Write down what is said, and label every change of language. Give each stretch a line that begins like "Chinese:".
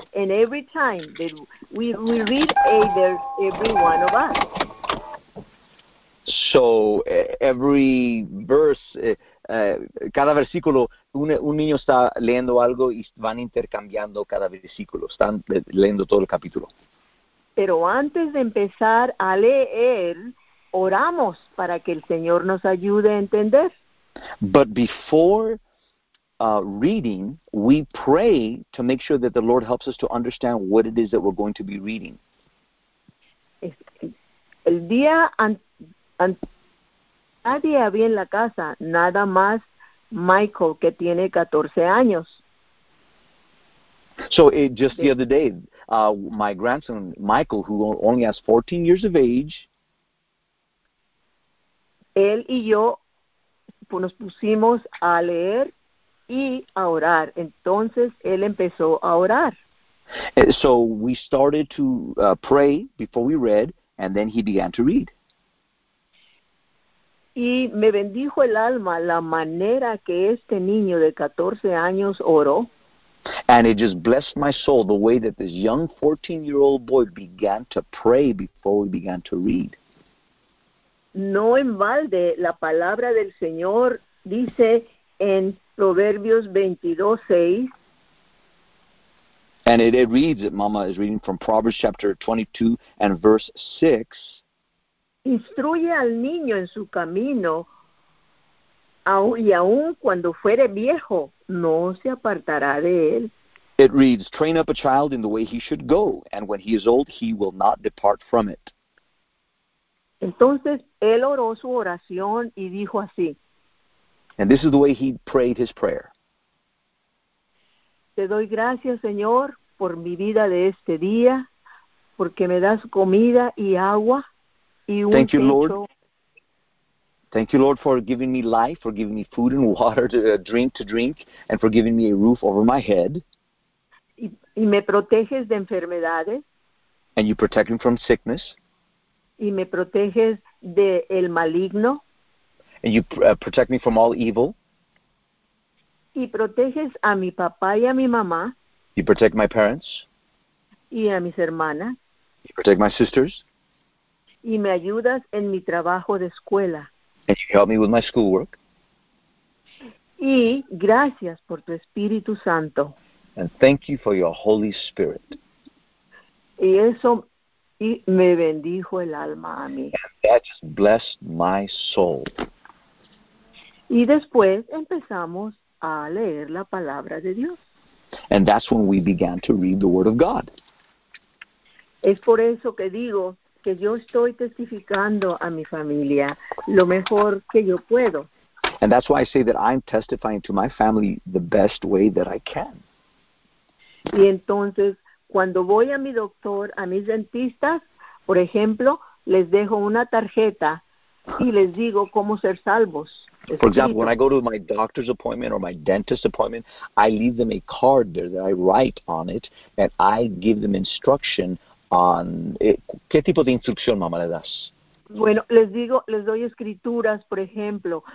English: And every time that we read every one of us. So, every verse,
Spanish: cada versículo, un niño está leyendo algo y van intercambiando cada versículo. Están leyendo todo el capítulo. Pero antes de empezar a leer, oramos para que el Señor nos ayude a entender.
English: But before reading, we pray to make sure that the Lord helps us to understand what it is that we're going to be reading.
Spanish: El día nadie había en la casa, nada más Michael, que tiene 14 años.
English: So just the other day, my grandson Michael, who only has 14 years of age,
Spanish: él y yo nos pusimos a leer y a orar. Entonces él empezó a orar.
English: So we started to pray before we read, and then he began to read.
Spanish: Y me bendijo el alma la manera que este niño de 14 años oró.
English: And it just blessed my soul the way that this young 14-year-old boy began to pray before he began to read.
Spanish: No en balde, la palabra del Señor dice en Proverbios 22:6.
English: And it reads, Mama is reading from Proverbs chapter 22 and verse 6.
Spanish: Instruye al niño en su camino, y aun cuando fuere viejo, no se apartará de él.
English: It reads, train up a child in the way he should go, and when he is old, he will not depart from it.
Spanish: Entonces, él oró su oración y dijo así.
English: And this is the way he prayed his prayer.
Spanish: Te doy gracias, Señor, por mi vida de este día, porque me das comida y agua y un techo.
English: Thank you, Lord, for giving me life, for giving me food and water to drink, and for giving me a roof over my head.
Spanish: Y me proteges de enfermedades.
English: And you protect me from sickness.
Spanish: Y me proteges de el maligno.
English: And you protect me from all evil.
Spanish: Y proteges a mi papá y a mi mamá.
English: You protect my parents.
Spanish: Y a mis hermanas.
English: You protect my sisters.
Spanish: Y me ayudas en mi trabajo de escuela.
English: And you help me with my schoolwork.
Spanish: Y gracias por tu Espíritu Santo.
English: And thank you for your Holy Spirit.
Spanish: Y eso y me bendijo el alma a mí.
English: And that just blessed my soul.
Spanish: Y después empezamos a leer la palabra de Dios.
English: And that's when we began to read the Word of God.
Spanish: Es por eso que digo que yo estoy testificando a mi familia lo mejor que yo puedo.
English: And that's why I say that I'm testifying to my family the best way that I can.
Spanish: Y entonces, cuando voy a mi doctor, a mis dentistas, por ejemplo, les dejo una tarjeta y les digo cómo ser salvos.
English: For example, when I go to my doctor's appointment or my dentist appointment, I leave them a card there that I write on it, and I give them instruction on...
Spanish: ¿Qué tipo de instrucción, mamá, le das? Bueno, les digo, les doy escrituras, por ejemplo.